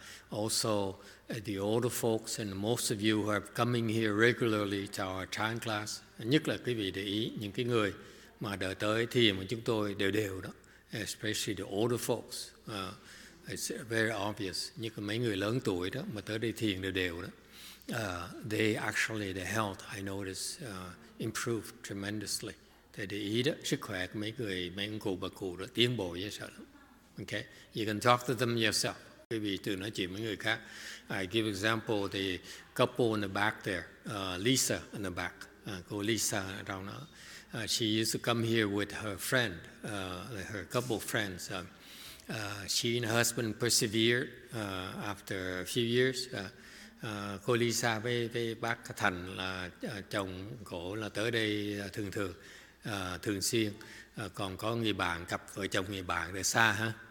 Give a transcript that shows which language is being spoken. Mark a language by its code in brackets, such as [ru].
[en] Also, the older folks and most of you who are coming here regularly to our Chan class, [vi] nhất là quý vị để ý, những cái người mà đợi tới thiền mà chúng tôi đều đó, [en] especially the older folks, it's very obvious, [vi] như mấy người lớn tuổi đó mà tới đây thiền đều đó, [en] they actually, the health, I noticed, improved tremendously. [vi] Thì để ý đó, sức khỏe của mấy ông cụ bà cụ đó tiến bộ dễ sợ lắm. [en] Okay, you can talk to them yourself. [vi] Quý vị tự nói chuyện với người khác. [en] I give example, the couple in the back there, Lisa in the back, cô Lisa around đó. She used to come here with her friend, her couple friends. She and her husband persevered after a few years. [vi] Cô Lisa với bác Thành là chồng cổ là tới đây thường xuyên. Còn có người bạn, cặp vợ chồng người bạn để xa ha.